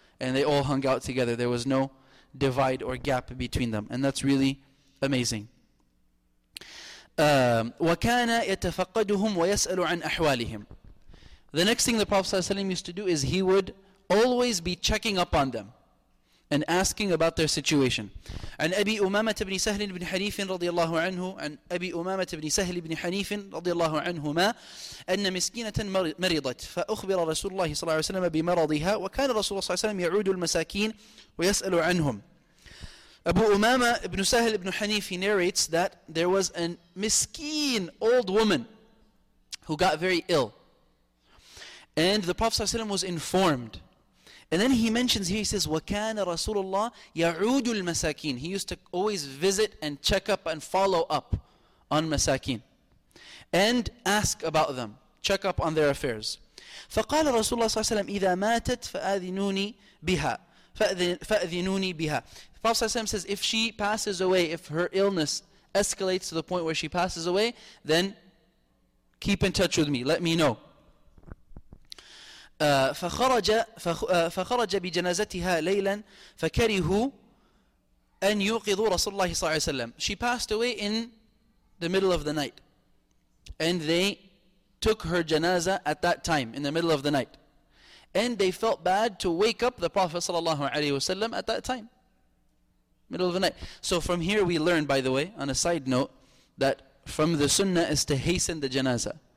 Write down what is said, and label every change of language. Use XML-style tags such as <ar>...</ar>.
<en>And they all hung out together. There was no divide or gap between them. And that's really amazing.</en> <ar>وَكَانَ يَتَفَقَّدُهُمْ وَيَسْأَلُ عَنْ أَحْوَالِهِمْ.</ar> <en>The next thing the Prophet ﷺ used to do is he would always be checking up on them and asking about their situation.</en> <ar>عن أبي أمامة بن سهل بن حنيف رضي الله عنه عن أبي أمامة بن سهل بن حنيف رضي الله عنهما أن مسكينة مرضت فأخبر رسول الله صلى الله عليه وسلم بمرضها وكان رسول الله صلى الله عليه وسلم يعود المساكين ويسأل عنهم.</ar> <en>أبو أمامة بن سهل بن حنيف, he narrates that there was a miskeen old woman who got very ill, and the Prophet ﷺ was informed. And then he mentions here, he says,</en> <ar>وَكَانَ رَسُولُ اللَّهِ يَعُودُ الْمَسَاكِينَ.</ar> <en>He used to always visit and check up and follow up on masakeen and ask about them, check up on their affairs.</en> <ar>فَقَالَ رَسُولُ اللَّهِ صَلَّى اللَّهُ عَلَيْهِ وَسَلَّمَ إِذَا مَاتَتْ فَأَذِنُونِي بِهَا فَأَذِنُونِي بِهَا.</ar> <en>The Prophet ﷺ says, if she passes away, if her illness escalates to the point where she passes away, then keep in touch with me, let me know.</en> <ar>فخرج بجنازتها ليلا فكرهوا أن يوقظوا رسول الله صلى الله عليه وسلم.</ar> <en>She passed away in the middle of the night, and they took her janazah at that time in the middle of the night, And they felt bad to wake up the Prophet sallallahu alaihi wasallam at that time, middle of the night. So from here we learn, by the way, on a side note, that from the sunnah is to hasten the janazah.</en>